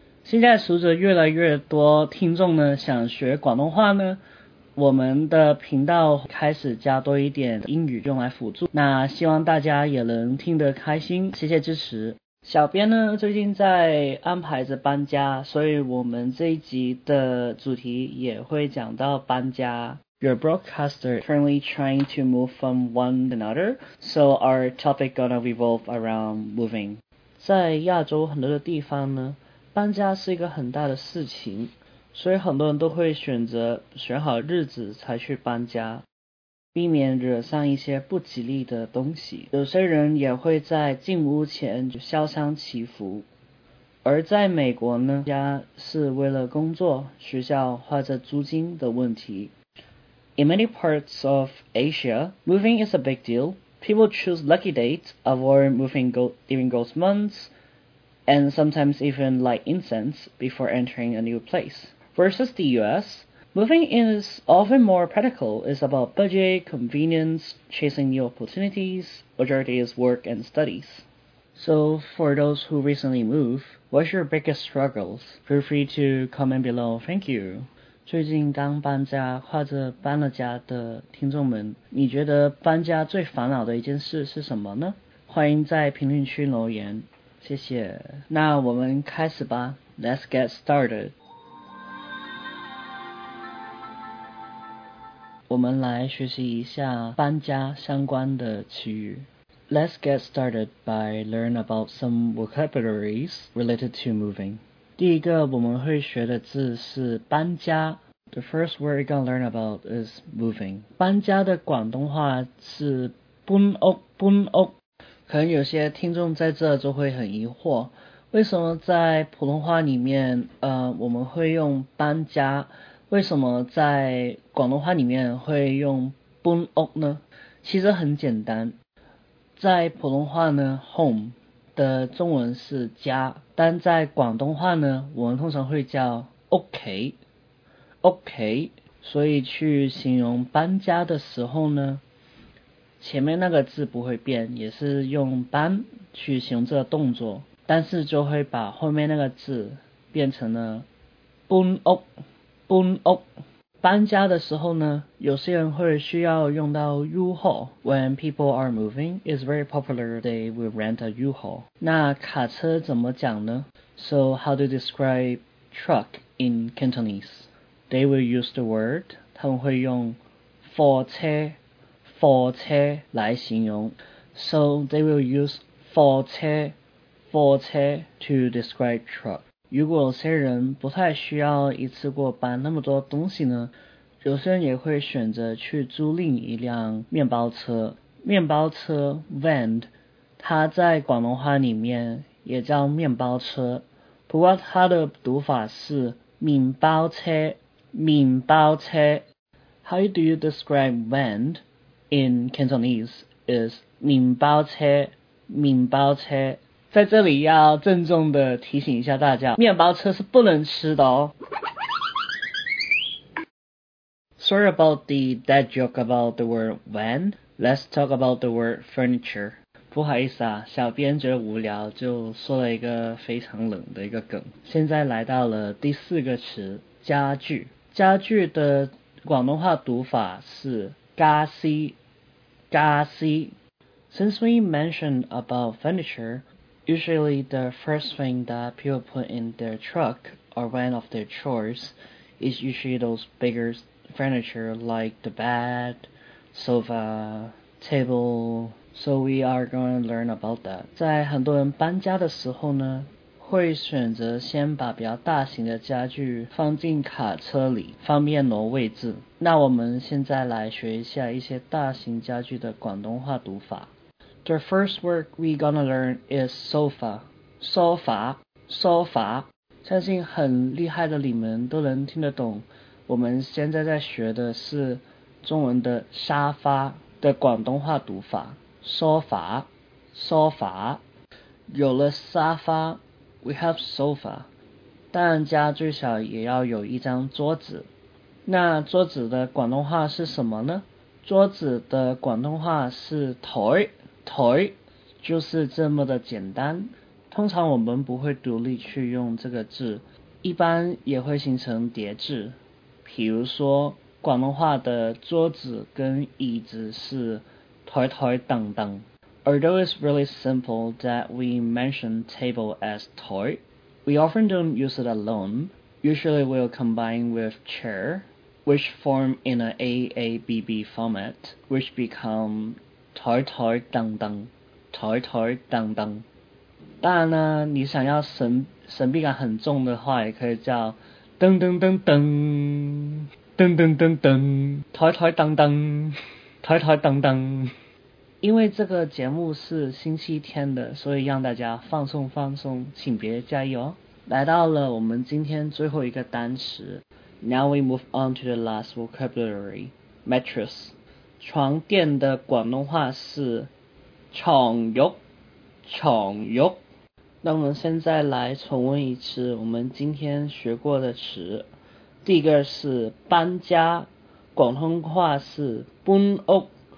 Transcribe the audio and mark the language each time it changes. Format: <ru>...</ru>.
<zh>现在随着越来越多听众呢想学广东话呢，我们的频道开始加多一点英语用来辅助，那希望大家也能听得开心，谢谢支持。小编呢最近在安排着搬家，所以我们这一集的主题也会讲到搬家。</zh> <en>Your broadcaster currently trying to move from one to another, so our topic gonna revolve around moving.</en> <zh>在亚洲很多的地方呢，搬家是一个很大的事情，所以很多人都会选择选好日子才去搬家，避免惹上一些不吉利的东西。有些人也会在进屋前就消伤祈福。而在美国呢，家是为了工作、学校或者租金的问题。</zh> <en>In many parts of Asia, moving is a big deal. People choose lucky dates, avoid moving during ghost months, and sometimes even light incense before entering a new place. Versus the US, moving is often more practical. It's about budget, convenience, chasing new opportunities, majority is work and studies. So for those who recently moved, what's your biggest struggles? Feel free to comment below. Thank you.</en> <zh>最近刚搬家或者搬了家的听众们，你觉得搬家最烦恼的一件事是什么呢？欢迎在评论区留言，谢谢。那我们开始吧。</zh> <en>Let's get started.</en> <zh>我们来学习一下搬家相关的词语。</zh> <en>Let's get started by learning about some vocabularies related to moving.</en> <zh>第一个我们会学的字是搬家。</zh> <en>The first word we're gonna learn about is moving.</en> <zh>搬家的广东话是搬屋，搬屋。可能有些听众在这就会很疑惑，为什么在普通话里面，我们会用搬家？为什么在广东话里面会用搬屋呢？其实很简单，在普通话呢 home 的中文是家，但在广东话呢我们通常会叫 OK， 所以去形容搬家的时候呢，前面那个字不会变，也是用搬去形容这个动作，但是就会把后面那个字变成了搬屋。搬屋，搬家的时候呢，有些人会需要用到 U-Haul.</zh> <en>When people are moving, it's very popular they will rent a U-Haul.</en> <zh>那卡车怎么讲呢？</zh> <en>So how to describe truck in Cantonese? They will use the word,</en> <zh>他们会用货车，货车来形容。</zh> <en>So they will use 货车，货车 to describe truck.</en> <zh>如果有些人不太需要一次过搬那么多东西呢，有些人也会选择去租赁一辆面包车。面包车 van， 它在广东话里面也叫面包车，不过它的读法是面包车，面包车。</zh> <en>How do you describe van in Cantonese?</en> <zh>Is 面包车，面包车。在这里要郑重的提醒一下大家，面包车是不能吃的哦。</zh> <en>Sorry about the dead joke about the word van. Let's talk about the word furniture.</en> <zh>不好意思啊，小编觉得无聊，就说了一个非常冷的一个梗。现在来到了第四个词，家具。家具的广东话读法是家私，家私。</zh> <en>Since we mentioned about furniture,Usually, the first thing that people put in their truck or one of their chores is usually those bigger furniture like the bed, sofa, table. So we are going to learn about that.</en> <zh>在很多人搬家的时候呢，会选择先把比较大型的家具放进卡车里，方便挪位置。那我们现在来学一下一些大型家具的广东话读法。</zh> <en>The first word we're gonna learn is sofa. Sofa, sofa.</en> <zh>相信很厉害的你们都能听得懂。我们现在在学的是中文的沙发。的广东话读法，说法，说法。有了沙发 ，</zh> <en>we have sofa，</en> <zh>但家最少也要有一张桌子。那桌子的广东话是什么呢？桌子的广东话是台，台，就是这么的简单。通常我们不会独立去用这个字，一般也会形成叠字。比如说，广东话的桌子跟椅子是台台凳凳。</zh> <en>Although it's really simple that we mention table as 台, we often don't use it alone. Usually we'll combine with chair, which form in an AABB format, which become 台台凳凳。</en> <zh>台台凳凳。当然呢，你想要神秘感很重的话，也可以叫噔噔噔噔噔噔噔噔，台台噔噔，台台噔噔。因为这个节目是星期天的，所以让大家放松放松，请别介意哦。来到了我们今天最后一个单词</zh> <en>，Now we move on to the last vocabulary, mattress.</en> <zh>床垫的广东话是床褥，床褥。那我们现在来重温一次我们今天学过的词。第一个是搬家，广东话是搬屋。</zh>